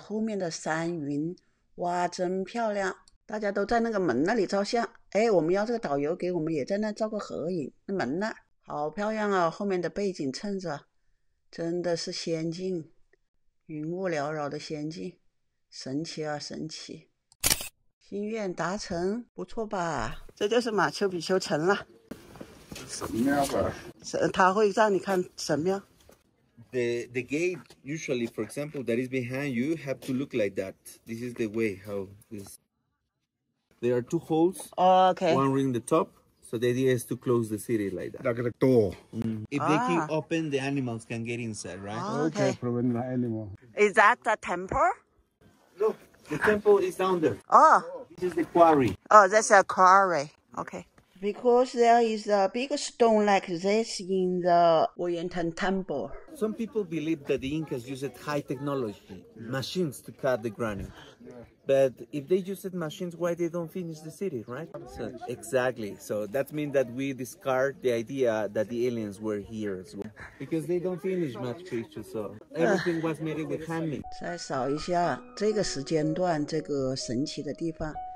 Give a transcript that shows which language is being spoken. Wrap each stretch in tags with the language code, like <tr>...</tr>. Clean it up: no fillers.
<zh>比刚才的画面清楚多了，好漂亮哦！难怪这叫做天空之城。看在这里行走，这大块石头的路，真的感觉还很现代化哎，真的比我想象中的美多了。哇，从这个方向看过去，好漂亮哦！这城楼、城墙、城门，还有后面的山云，哇，真漂亮！大家都在那个门那里照相，哎，我们要这个导游给我们也在那照个合影。那门呢？好漂亮啊！后面的背景衬着，真的是仙境，云雾缭绕的仙境，神奇啊，神奇！心愿达成，不错吧？这就是马丘比丘城了。神庙吧？它会让你看神庙。The</zh> <en>gate usually, for example, that is behind you, have to look like that. This is the way how this. There are two holes, okay. One ring the top, so the idea is to close the city like that. Like a door. Mm. If they can open, the animals can get inside, right? Okay. Prevent the animal. Is that the temple? Look, the temple is down there. Oh. This is the quarry. Oh, that's a quarry. Okay. Because there is a big stone like this in the Oriental temple. Some people believe that the Incas used high technology, machines to cut the granite. But if they used machines, why they don't finish the city, right? So, exactly. So that means that we discard the idea that the aliens were here as well. Because they don't finish Machu Picchu, so everything was made with handmade.</en> <zh>再扫一下这个时间段，这个神奇的地方。</zh>